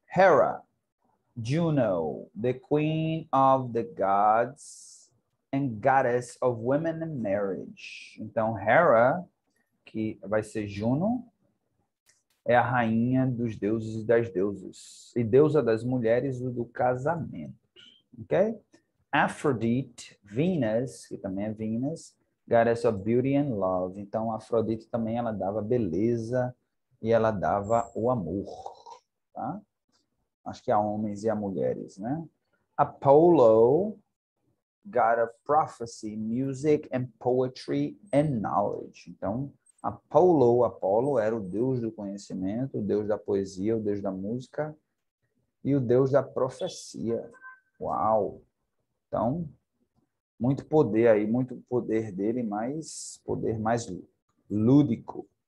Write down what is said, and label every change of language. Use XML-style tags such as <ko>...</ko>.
<en>Hera, Juno, the queen of the gods and goddess of women and marriage.</en> <pt>Então, Hera, que vai ser Juno, é a rainha dos deuses e das deusas, e deusa das mulheres e do casamento, ok?</pt> <en>Aphrodite, Venus,</en> <pt>que também é</pt> <en>Venus, goddess of beauty and love.</en> <pt>Então, Afrodite também, ela dava beleza e ela dava o amor, tá? Acho que há homens e há mulheres, né?</pt> <en>Apollo, god of prophecy, music and poetry and knowledge.</en> <pt>Então, Apolo era o deus do conhecimento, o deus da poesia, o deus da música e o deus da profecia. Uau! Então, muito poder aí, muito poder dele, mas poder mais lúdico.</pt>